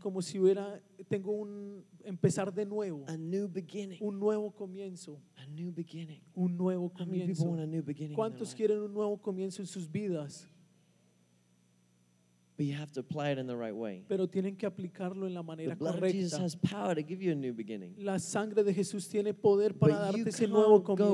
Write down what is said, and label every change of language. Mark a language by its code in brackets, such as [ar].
[es] Como si hubiera, tengo un empezar de nuevo. [en] A new beginning. [es] Un nuevo comienzo. [en] A new beginning. [es] Un nuevo comienzo. [en] How many people want a new beginning? [es] ¿Cuántos quieren un nuevo comienzo en sus vidas? [en] But you have to apply it in the right way. [es] Pero tienen que aplicarlo en la manera correcta. [en] The blood of Jesus has power to give you a new beginning. [es] La sangre de Jesús tiene poder para darte ese nuevo comienzo.